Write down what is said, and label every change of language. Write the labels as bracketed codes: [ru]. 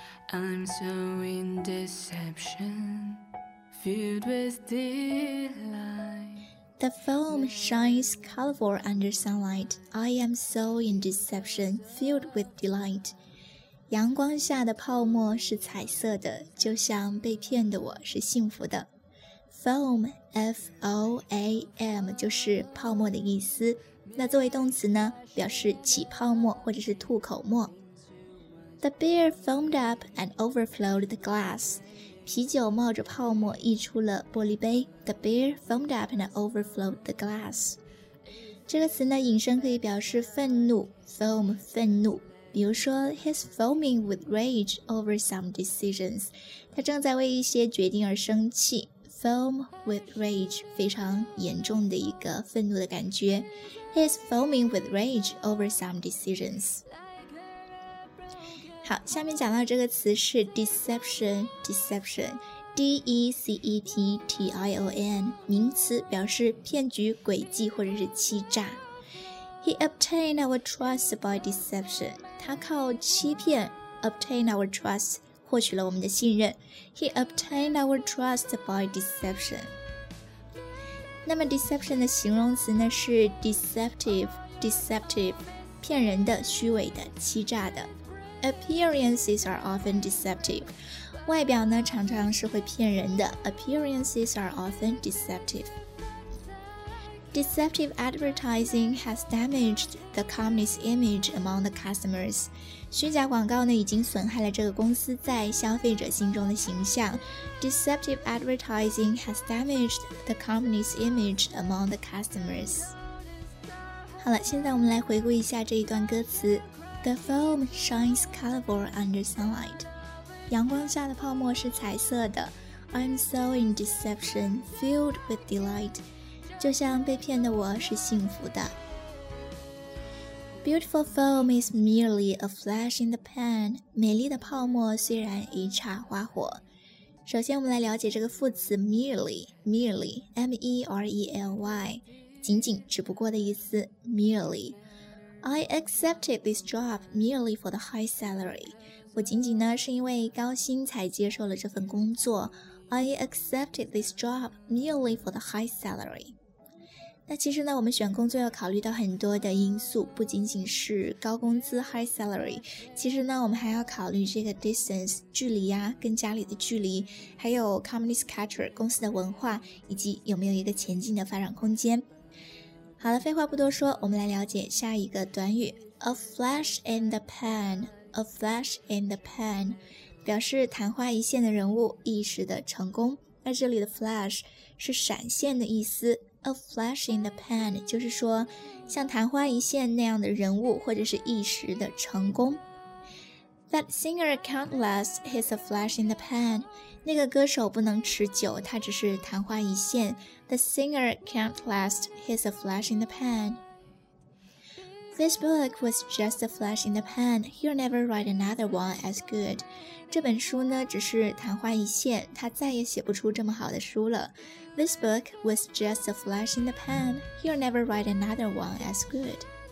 [en] I'm so in deception, filled with delight The foam shines colorful under sunlight. I am so in deception, filled with delight. [zh] 阳光下的泡沫是彩色的，就像被骗的我是幸福的。 Foam, F-O-A-M, 就是泡沫的意思。那作为动词呢，表示起泡沫或者是吐口沫。 [en] The beer foamed up and overflowed the glass. [zh] 啤酒冒着泡沫溢出了玻璃杯。 [en] The beer foamed up and overflowed the glass. [zh] 这个词呢，引申可以表示愤怒， foam, 愤怒。比如说 [en] He's foaming with rage over some decisions. [zh] 他正在为一些决定而生气。 [en] foam with rage, [zh] 非常严重的一个愤怒的感觉。 [en] He is foaming with rage over some decisions. [zh] 好，下面讲到这个词是 deception, D-E-C-E-P-T-I-O-N, 名词，表示骗局、诡计或者是欺诈。 [en] He obtained our trust by deception. [zh] 他靠欺骗 [en] obtained our trust. [zh] 获取了我们的信任 [en] He obtained our trust by deception [zh] 那么 [en] deception [zh] 的形容词呢是 [en] deceptive [zh] 骗人的、虚伪的、欺诈的 [en] Appearances are often deceptive [zh] 外表呢常常是会骗人的 [en] Appearances are often deceptive Deceptive advertising has damaged the company's image among the customers. [zh] 虚假广告呢已经损害了这个公司在消费者心中的形象。 [en] Deceptive advertising has damaged the company's image among the customers. [zh] 好了，现在我们来回顾一下这一段歌词。 [en] The foam shines colorful under sunlight. [zh] 阳光下的泡沫是彩色的。 [en] I'm so in deception, filled with delight. [zh] 就像被骗的我是幸福的。 [en] Beautiful foam is merely a flash in the pan. [zh] 美丽的泡沫虽然一刹花火。首先我们来了解这个副词 merely, M-E-R-E-L-Y, 仅仅只不过的意思 merely. [en] I accepted this job merely for the high salary. [zh] 我仅仅呢是因为高薪才接受了这份工作。 [en] I accepted this job merely for the high salary. [zh] 那其实呢我们选工作要考虑到很多的因素不仅仅是高工资 high salary 其实呢我们还要考虑这个 distance 距离呀、跟家里的距离还有 company's culture 公司的文化以及有没有一个前进的发展空间好了废话不多说我们来了解下一个短语 [en] a flash in the pan [zh] 表示昙花一现的人物一时的成功那这里的 flash 是闪现的意思A flash in the pan, 就是说像昙花一现那样的人物或者是一时的成功。 [en] That singer can't last, he's a flash in the pan. [zh] 那个歌手不能持久他只是昙花一现。 [en] The singer can't last, he's a flash in the pan. This book was just a flash in the pan. He'll never write another one as good. [zh] 这本书呢只是昙花一现他再也写不出这么好的书了。 [en] This book was just a flash in the pan. He'll never write another one as good.